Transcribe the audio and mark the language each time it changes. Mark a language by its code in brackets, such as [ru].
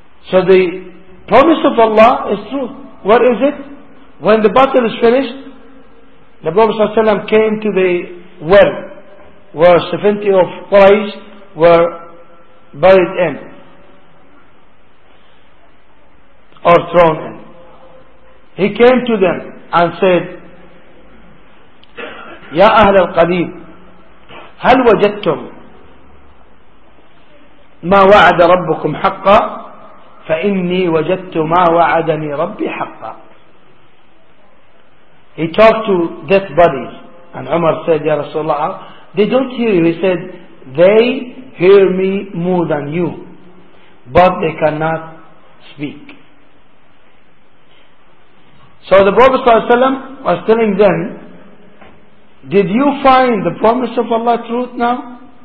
[en] So the promise of Allah is true. What is it? When the battle is finished, the Prophet ﷺ came to the well where 70 of Quraysh were buried in or thrown in. He came to them and said, [ar] يا أهل القديم هل وجدتم ما وعد ربكم حقا فإني وجدت ما وعدني ربي حقا. [en] He talked to death bodies and Umar said, [ar] يا رسول الله, [en] they don't hear you. He said, they hear me more than you, but they cannot speak. So the Prophet [ar] صلى الله عليه وسلم [en] was telling them, did you find the promise of Allah truth now?